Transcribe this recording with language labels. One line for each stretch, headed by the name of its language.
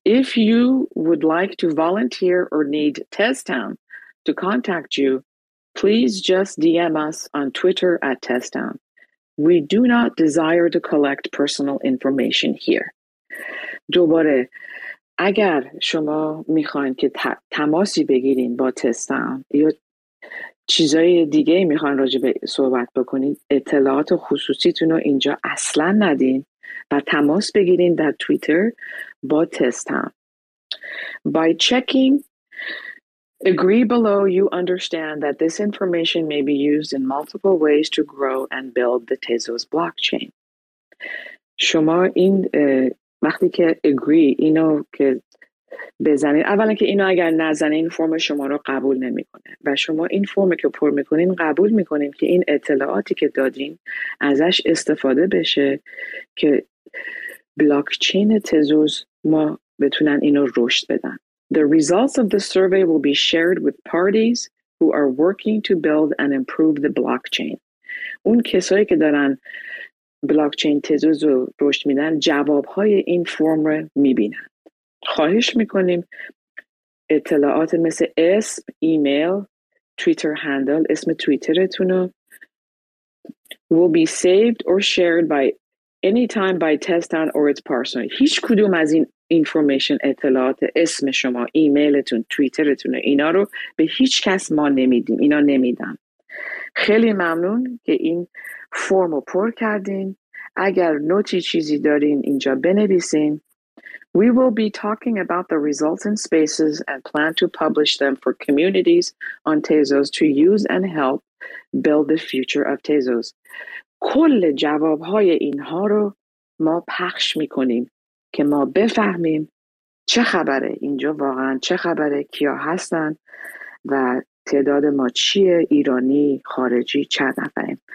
English: If you would like to volunteer or need Tezstown to contact you, please just DM us on Twitter at Tezstown. We do not desire to collect personal information here.
Persian: دوباره اگر شما میخواین که تماسی بگیرین با Tezstown یا چیزای دیگه میخواین راجع به صحبت بکنین اطلاعات خصوصیتون رو اینجا اصلا ندین و تماس بگیرین در تویتر با Tezstown.
English: By checking, agree below, you understand that this information may be used in multiple ways to grow and build the Tezos blockchain.
Persian: شما این وقتی که agree اینو که بزنین اولا که اینو اگر نزنین این فرم شما رو قبول نمی کنه و شما این فرم که پر میکنین قبول میکنین که این اطلاعاتی که دادین ازش استفاده بشه که بلاکچین تزوز ما بتونن اینو رشد بدن.
English: The results of the survey will be shared with parties who are working to build and improve the blockchain.
Persian: اون کسایی که دارن بلاکچین تزوز رو رشد میدن جوابهای این فرم رو میبینن. خواهش میکنیم اطلاعات مثل اسم، ایمیل، تویتر هندل، اسم تویترتون رو
English: will be saved or shared by anytime by Tezstown or its person.
Persian: هیچ کدوم از این information اطلاعات اسم شما ایمیلتون تویترتون اینا رو به هیچ کس ما نمیدیم اینا نمیدم. خیلی ممنون که این فرم رو پر کردین. اگر نوتی چیزی دارین اینجا بنویسین.
English: We will be talking about the results in spaces and plan to publish them for communities on Tezos to use and help build the future of Tezos.
Persian: کل جوابهای اینها رو ما پخش میکنیم که ما بفهمیم چه خبره اینجا واقعا چه خبره کیا هستن و تعداد ما چیه ایرانی خارجی چند نفریم.